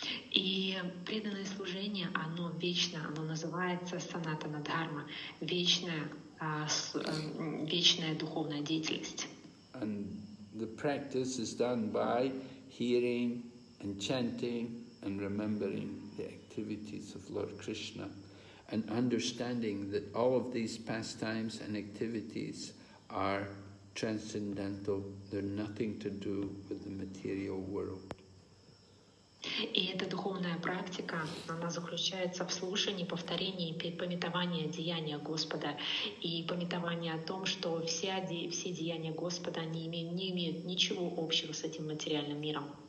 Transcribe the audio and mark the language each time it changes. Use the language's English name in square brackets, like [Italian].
[Russian] И преданное служение, оно вечно, оно называется Санатана Дхарма, вечная духовная деятельность. [English] And the practice is done by hearing and chanting and remembering the activities of Lord Krishna and understanding that all of these pastimes and activities are transcendental, they're nothing to do with the material world. [Russian] И эта духовная практика, она заключается в слушании, повторении, памятовании деяния Господа и памятовании о том, что все деяния Господа не имеют ничего общего с этим материальным миром.